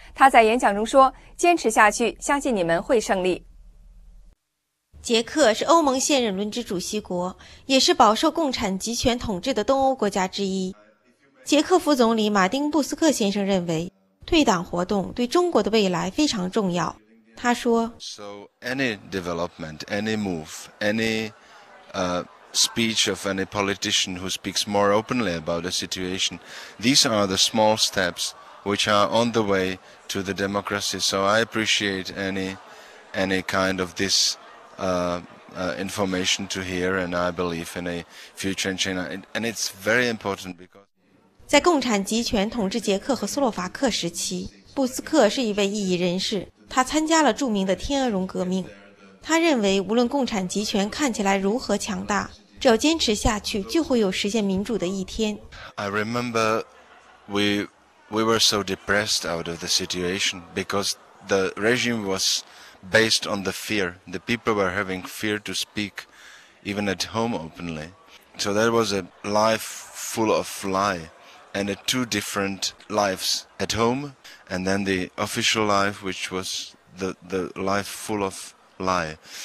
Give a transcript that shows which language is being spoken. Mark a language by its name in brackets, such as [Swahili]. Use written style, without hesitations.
[Chinese] 他在演讲中说，坚持下去，相信你们会胜利。捷克是欧盟现任轮值主席国，也是饱受共产集权统治的东欧国家之一。捷克副总理马丁·布斯克先生认为，退党活动对中国的未来非常重要。他说 [English] ：“So any development, any move, any speech of any politician who speaks more openly about the situation, these are the small steps which are on the way to the democracy. So I appreciate any kind of this.” information to hear, and I believe in a future in China, and it's very important because. [Chinese] 在共产集权统治捷克和斯洛伐克时期，布斯克是一位异议人士。他参加了著名的天鹅绒革命。他认为，无论共产集权看起来如何强大，只要坚持下去，就会有实现民主的一天。 [English] I remember we were so depressed out of the situation because the regime was. Based on the fear, the people were having fear to speak, even at home openly. So that was a life full of lie, and two different lives at home, and then the official life, which was the life full of lie.